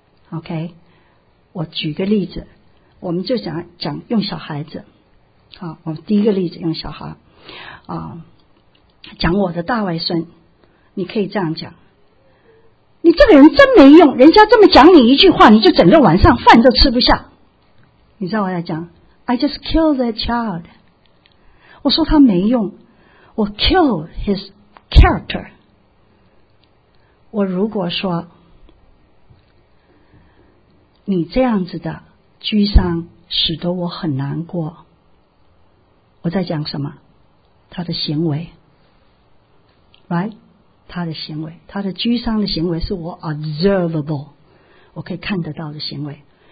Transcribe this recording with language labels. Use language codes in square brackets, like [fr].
[zh] OK， 我举个例子，我们就讲用小孩子。好，我们第一个例子用小孩啊，讲我的大外孙，你可以这样讲，你这个人真没用，人家这么讲你一句话，你就整个晚上饭都吃不下。你知道我在讲 [en] I just killed that child， [zh] 我说他没用，我 [en] kill his character。 [zh] 我如果说你这样子的沮丧使得我很难过，我在讲什么？他的行为 ，right？他的行为，他的沮丧的行为是我 observable， 我可以看得到的行为。